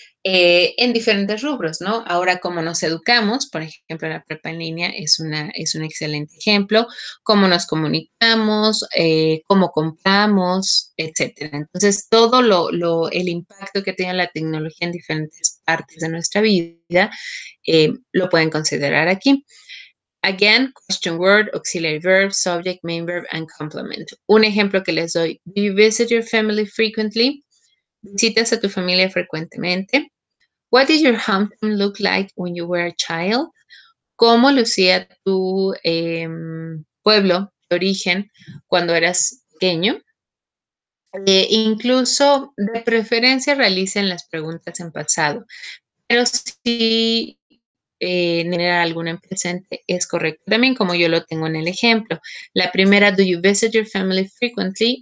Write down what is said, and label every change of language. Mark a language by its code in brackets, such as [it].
[es] En diferentes rubros, ¿no? Ahora, cómo nos educamos, por ejemplo, la prepa en línea es un excelente ejemplo. Cómo nos comunicamos, cómo compramos, etcétera. Entonces, todo el impacto que tiene la tecnología en diferentes partes de nuestra vida lo pueden considerar aquí. [en] Again, question word, auxiliary verb, subject, main verb, and complement. Un ejemplo que les doy, do you visit your family frequently? ¿Visitas a tu familia frecuentemente? What did your hometown look like when you were a child? [es] ¿Cómo lucía tu pueblo de origen cuando eras pequeño? Incluso, de preferencia, realicen las preguntas en pasado. Pero si generar alguna en presente es correcto. También como yo lo tengo en el ejemplo. [en] La primera, do you visit your family frequently?